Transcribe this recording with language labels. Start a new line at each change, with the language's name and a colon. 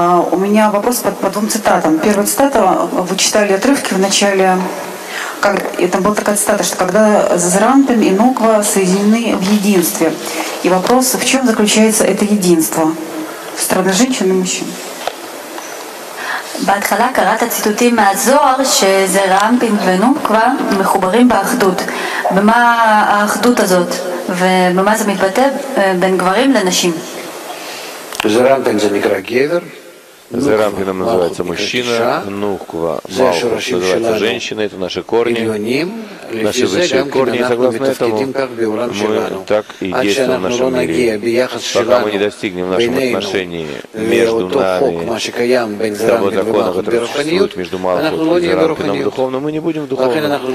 Russian: У меня вопрос по двум цитатам. Первая цитата, вы читали отрывки в начале... Это была такая цитата, что когда Зарампин и Ноква соединены в единстве. И вопрос, в чем заключается это единство? Страна женщин и мужчин.
Hebrew: בהתחלה קראת הציטוטים מהזוהר שזרמפין ונוקווה מחוברים באחדות. במה האחדות הזאת? ובמה זה מתבטא בין גברים לנשים? זרמפין זה נקרא גבר.
Russian: Зарампином называется мужчина, нуква, малхут называется женщина, это наши корни, наши высшие корни, и согласно этому мы так и действуем в нашем мире. Пока мы не достигнем в нашем отношении между нами того закона, который существует между малхут и зарампином духовным, мы не будем духовным.